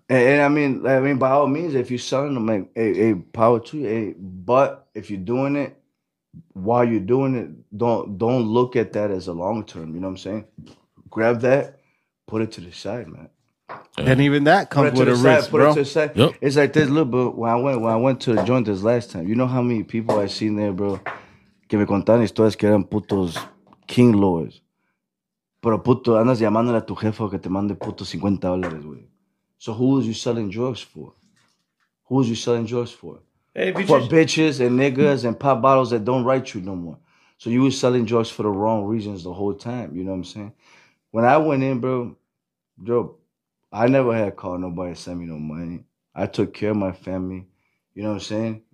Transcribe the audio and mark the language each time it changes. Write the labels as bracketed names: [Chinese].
[English] And I mean by all means, if you're selling them, like hey, power to you, but if you're doing it while you're doing it, don't look at that as a long term, you know what I'm saying? Grab that. Put it to the side, man. And even that comes with a risk, bro. Put it to the side. Yep. It's like this, look, bro. When I went to the joint this last time, you know how many people I seen there, bro? [Spanish] Que me contaron historias que eran putos king lords. Pero puto, andas llamándole a tu jefe que te mande puto $50, güey. [English] So who was you selling drugs for? Who was you selling drugs for? Hey, for bitches and niggas and pop bottles that don't write you no more. So you were selling drugs for the wrong reasons the whole time. You know what I'm saying? When I went in, bro, I never had called nobody to send me no money. I took care of my family. You know what I'm saying?